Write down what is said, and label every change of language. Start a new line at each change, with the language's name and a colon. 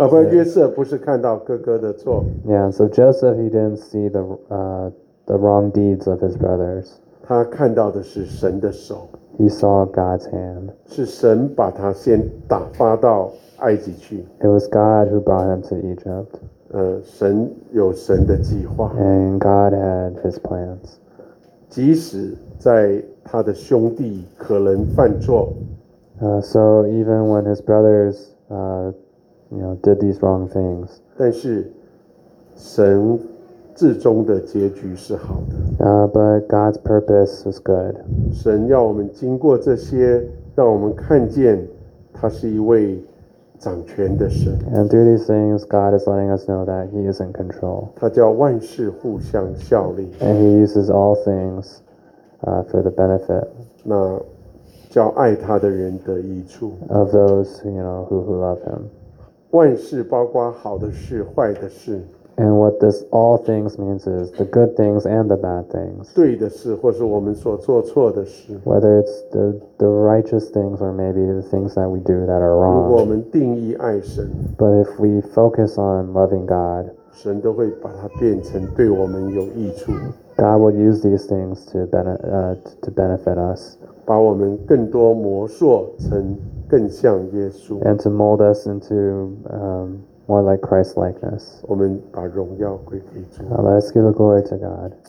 Chinese: 约瑟不是看到哥哥的错。
English: Yeah, so Joseph, he didn't see the wrong deeds of his brothers.
Chinese: 他看到的是神的手。
English: He saw God's hand.
Chinese: 是神把他先打发到埃及去。
English: It was God who brought him to Egypt.
Chinese: 神有神的计划。
English: And God had his plans.
Chinese: 即使在他的兄弟可能犯错。
English: So even when his brothers, you know, did these wrong things.
Chinese: 但是神至终的结局是好的。
English: But God's purpose is good.
Chinese: 神要我们经过这些，让我们看见他是一位掌权的神。
English: And through these things, God is letting us know that He is in control.
Chinese: 他叫万事互相效力。
English: And He uses all things, for the benefit.
Chinese: 那叫爱他的人得益处。
English: Of those, you know, who love Him.
Chinese: 万事包括好的事、坏的事。
English: And what this all things means is the good things and the bad things.
Chinese: 对的事，或是我们所做错的事。
English: Whether it's the righteous things or maybe the things that we do that are wrong.
Chinese: 如果我们定义爱神。
English: But if we focus on loving God.
Chinese: 神都会把它变成对我们有益处。
English: God will use these things to benefit us.
Chinese: 把我们更多磨塑成。更像耶稣。
English: And to mold us into more like Christ likeness.
Chinese: 我们把荣耀归给主。
English: Let us give the glory to God.